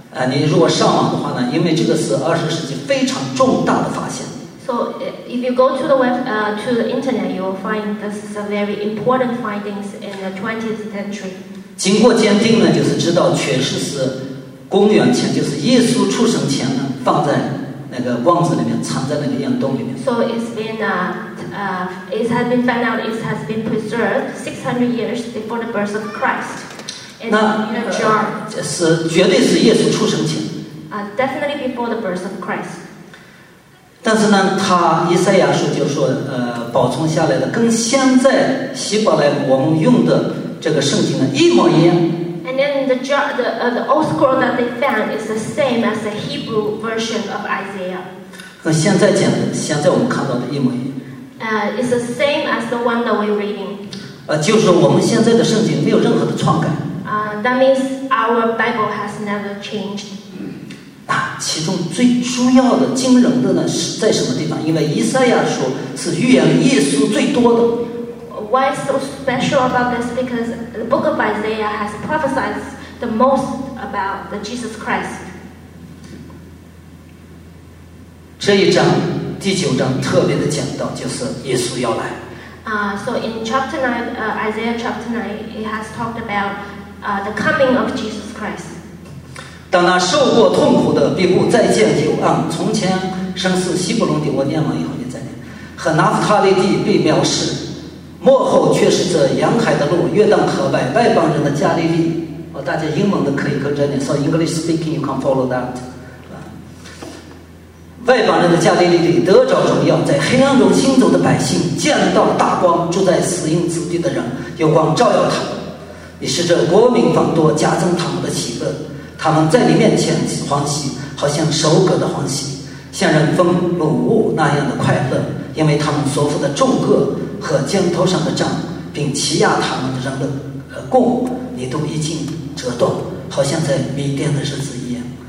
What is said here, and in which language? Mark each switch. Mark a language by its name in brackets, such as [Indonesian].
[Chinese] 你如果上网的话呢，因为这个是20世纪非常重大的发现。 [English] So if you go to the web, to the internet, you will find this is a very important findings in the 20th century. [Chinese] 经过鉴定呢，就是知道确实是公元前，就是耶稣出生前呢，放在那个罐子里面，藏在那个岩洞里面。 [English] So it's been it has been found out, it has been preserved 600 years before the birth of Christ. [Chinese] 那这是绝对是耶稣出生前。 [English] Definitely before the birth of Christ. [Chinese] 但是呢，他以赛亚书就说，保存下来的跟现在希伯来我们用的这个圣经呢一模一样。 [English] And then the old scroll that they found is the same as the Hebrew version of Isaiah. [Chinese] 和现在讲的，现在我们看到的一模一样。 [English] It's the same as the one that we're reading. [Chinese] 就是我们现在的圣经没有任何的篡改。 [English] That means our Bible has never changed. [Chinese] 其中最主要的、惊人的呢是在什么地方？因为以赛亚书是预言耶稣最多的。 [English] Why so special about this? Because the book of Isaiah has prophesied the most about the Jesus Christ. [Chinese] 这一章第九章特别的讲到，就是耶稣要来。 [English] So in chapter 9, Isaiah chapter 9, it has talked about. The coming of Jesus Christ. [Chinese] 当那受过痛苦的必不再见幽暗，从前生死西布隆地，我念完以后你再念，和拿弗他利地必藐视，末后却是这沿海的路，约旦河外外邦人的加利利。大家英文的可以跟着念 [English] ，So English speaking, you can follow that. [Chinese] 外邦人的加利利地得着荣耀，在黑暗中行走的百姓见到大光，住在死荫子弟的人有光照耀他们。也是这国民方多加增他们的喜乐，他们在你面前欢喜，好像收割的欢喜，像人分掳物那样的快乐，因为他们所负的重轭和肩头上的杖，并欺压他们的人的弓，你都已经折断，好像在迷颠的日子一样。